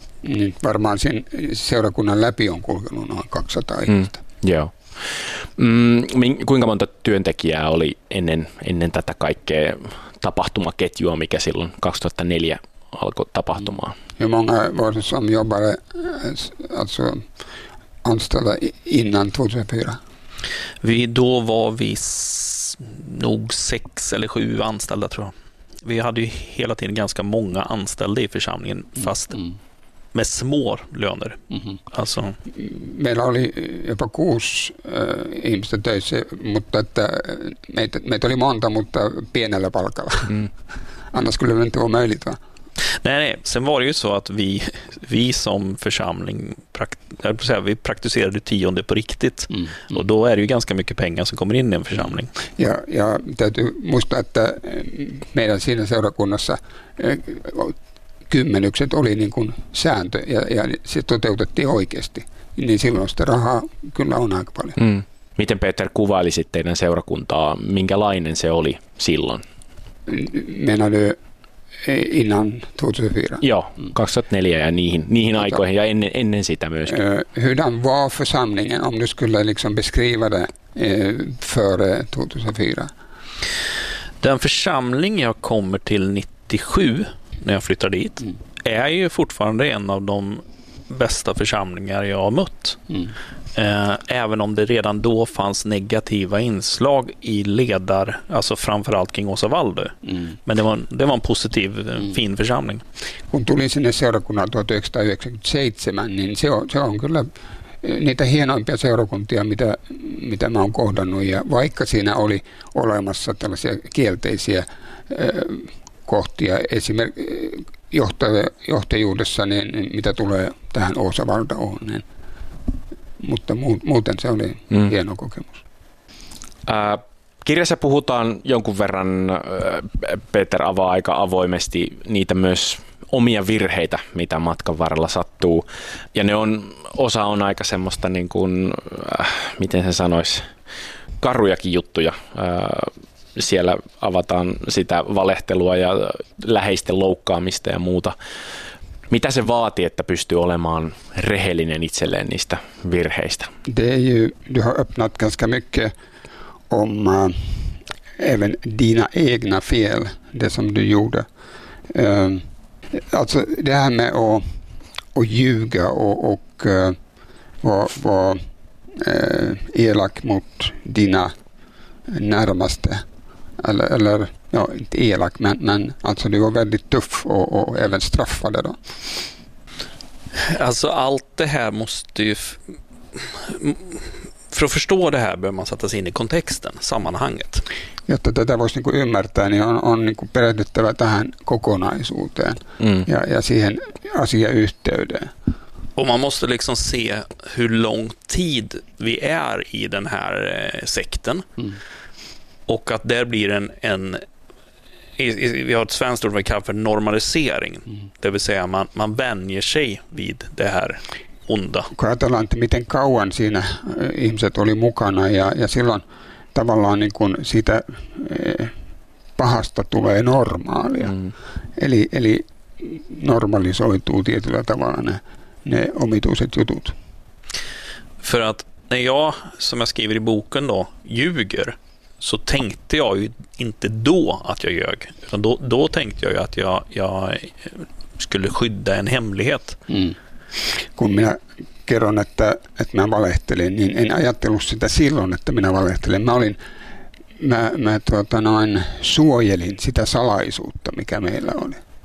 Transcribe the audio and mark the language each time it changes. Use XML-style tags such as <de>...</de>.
<fi>Nyt varmaan sen seurakunnan läpi on kulkenut noin 200 ihmistä. Joo. Kuinka monta työntekijää oli ennen tätä kaikkea tapahtumaketjua, mikä silloin 2004 alkoi tapahtumaan?</fi> <sv>Hur många var det som jobbade, alltså anställda innan 2004? Vi då var vi nog 6 eller 7 anställda, tror jag. Vi hade ju hela tiden ganska många anställda i församlingen, fast med små löner. Mm-hmm. Alltså.</sv> <fi>Meillä oli jopa 6 ihmistä töissä, mutta että meitä oli monta, mutta pienellä palkalla.</fi> <sv>Mm. Annars kyllä me inte var möjligt, va? Nej. Sen var det ju så att vi som församling vi praktiserade 10:e på riktigt. Mm. Mm. Och då är det ju ganska mycket pengar som kommer in i en församling.</sv> <fi>Ja, jag täytyy muistaa, att meidän siinä seurakunnassa 10:kset oli niin kuin sääntö ja se toteutettiin oikeasti. Niin silloin sitä rahaa kyllä on aika paljon. Mm. Miten Peter kuvailisi teidän seurakuntaa? Minkälainen se oli silloin? Meillä oli innan 2004. Joo, 2004 ja niihin aikoihin ja ennen sitä myöskin.</fi> <sv>Hyvän var församlingen om du skulle liksom beskriva det före 2004? Den församling jag kommer till 97 när jag flyttar dit, mm. är ju fortfarande en av de bästa församlingar jag har mött. Mm. Även om det redan då fanns negativa inslag i ledar, alltså framförallt kring Åsa Valdö. Mm. Men det var en positiv, fin församling.</sv> <fi>Hon tuli sinne seurakunnan 1997, niin se on kyllä niitä hienoimpia seurakuntia, mitä mä oon kohdannut. Ja vaikka siinä oli olemassa tällaisia kielteisiä kohtia esimerkiksi johtajuudessa, niin mitä tulee tähän Osavaltaan, niin, mutta muuten se oli hieno kokemus. Kirjassa puhutaan jonkun verran, Peter avaa aika avoimesti niitä myös omia virheitä, mitä matkan varrella sattuu, ja ne on, osa on aika semmoista, niin kuin, miten sen sanoisi, karujakin juttuja. Siellä avataan sitä valehtelua ja läheisten loukkaamista ja muuta. Mitä se vaatii, että pystyy olemaan rehellinen itselleen niistä virheistä?</fi> <sv>Det är ju, du har öppnat ganska mycket om även dina egna fel, det som du gjorde. Alltså det här med att ljuga och vara elak mot dina närmaste. Eller ja, inte elak, men alltså du var väldigt tuff och även straffade då. Alltså allt det här måste ju, för att förstå det här behöver man sätta sig in i kontexten, sammanhanget.</sv> <fi>Jotta tätä voisi niin kuin ymmärtää, niin on niin kuin perehdyttävä tähän kokonaisuuteen ja siihen asiayhteyteen.</fi> <sv>Och man måste liksom se hur lång tid vi är i den här sekten. Mm. Och att där blir en vi har ett svenskt ord vi kallar för normalisering. Mm. Det vill säga man vänjer sig vid det här onda.</sv> <fi>Kun ajatellaan, että miten kauan siinä ihmiset oli mukana ja silloin tavallaan niin kuin siitä pahasta tulee normaalia. Mm. Eli normalisoituu tietyllä tavalla ne omituiset jutut.</fi> <sv>För att när jag, som jag skriver i boken då, ljuger, så tänkte jag ju inte då att jag ljög. Utan då tänkte jag ju att jag skulle skydda en hemlighet. Mm.</sv> <fi>Kun minä kerron, että minä valehtelin, niin en ajattelut sitä silloin, että minä valehtelin. Mä suojelin sitä salaisuutta, mikä meillä oli.</fi>